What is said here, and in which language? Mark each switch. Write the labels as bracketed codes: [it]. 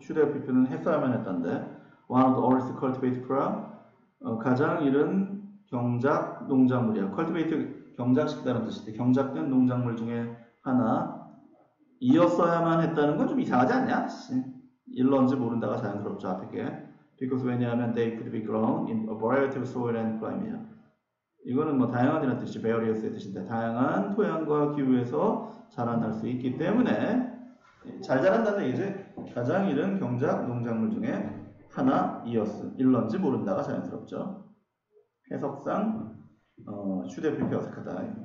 [en] Should have been [ko] 했어야만 했던데. [en] One of the oldest cultivated crop. [ko] 가장 이른 경작 농작물이야. Cultivate 경작식다는 뜻인데 경작된 농작물 중에 하나. 이었어야만 했다는 건 좀 이상하지 않냐? 일런지 모른다가 자연스럽죠. 앞에 게. [en] Because [ko] 왜냐하면 [en] they could be grown in a variety of soil and climate. [ko] 이거는 뭐 다양한이라는 뜻이지. Various의 뜻인데 다양한 토양과 기후에서 자라날 수 있기 때문에 잘 자란다는 얘기지. 가장 이른 경작 농작물 중에 하나 이었어. 일런지 모른다가 자연스럽죠. 해석상 슈대피피 어색하다.